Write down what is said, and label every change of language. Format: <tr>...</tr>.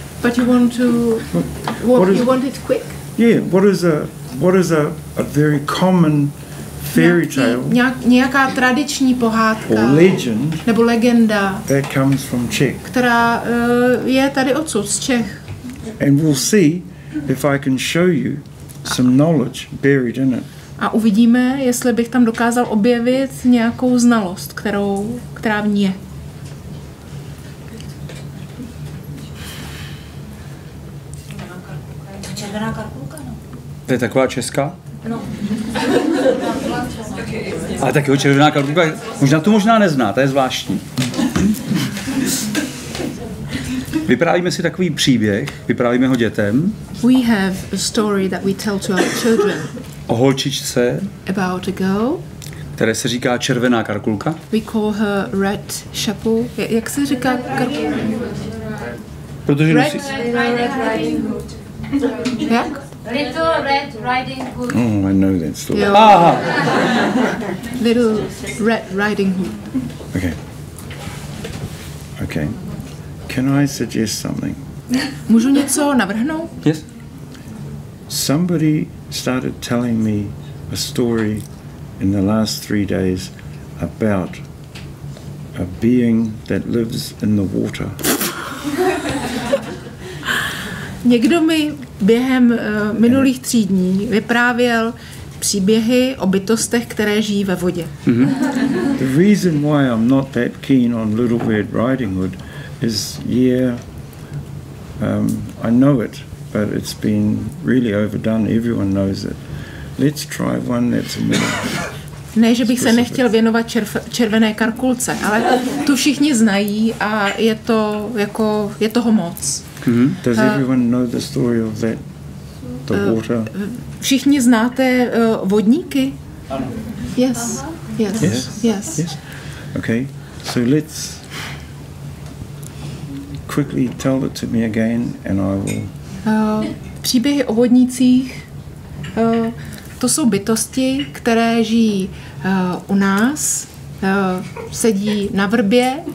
<en>But you want to what you want it quick? Yeah, what is a very common fairy tale?</en> <cs>Nějaká tradiční pohádka.</cs> <en>Or legend,</en> <cs>nebo legenda.</cs> <en>That comes from Czech.</en> <cs>Která je tady odsud z Čech.</cs> <en>And we'll see if I can show you some knowledge buried in it.</en> <cs>A uvidíme, jestli bych tam dokázal objevit nějakou znalost, která v ní je. To je červená karkulka, no. To je taková česká? No. Ale tak jo, červená karkulka, možná tu možná nezná, to je zvláštní. Vyprávíme si takový příběh, vyprávíme ho dětem.</cs> <en>We have a story that we tell to our children.</en> <cs>O holčičce,</cs> <en>about a girl,</en> <cs>které se říká červená karkulka.</cs> <en>We call her red chapeau.</en> <cs>Jak se říká karkulka? Protože</cs> <en>red, nosí... red riding hood.</en> <cs>Jak?</cs> <en>Little red riding hood. Oh, I know that story. Aha. Little red riding hood. Okay. Okay. Can I suggest something?</en> <cs>Můžu něco navrhnout?</cs> <en>Yes. Somebody started telling me a story in the last 3 days about a being that lives in the water.</en> <cs>Někdo mi během minulých 3 dní vyprávěl příběhy o bytostech, které žijí ve vodě. Mm-hmm.</cs> <en>The reason why I'm not that keen on Little Red Riding Hood is, yeah, I know it, but it's been really overdone. Everyone knows it. Let's try one that's more.</en> <cs>Ne, že bych se nechtěl věnovat červené karkulce, ale tu všichni znají a je to jako je toho moc. Mm-hmm.</cs> <en>Does everyone know the story of that, the water?</en> <cs>Všichni znáte vodníky?</cs> <en>Ano. Yes. Yes. Yes. Yes. Yes. Okay. So let's quickly tell it to me again and I will.</en> <cs>Příběhy o vodnících, to jsou bytosti, které žijí u nás, sedí na vrbě,</cs>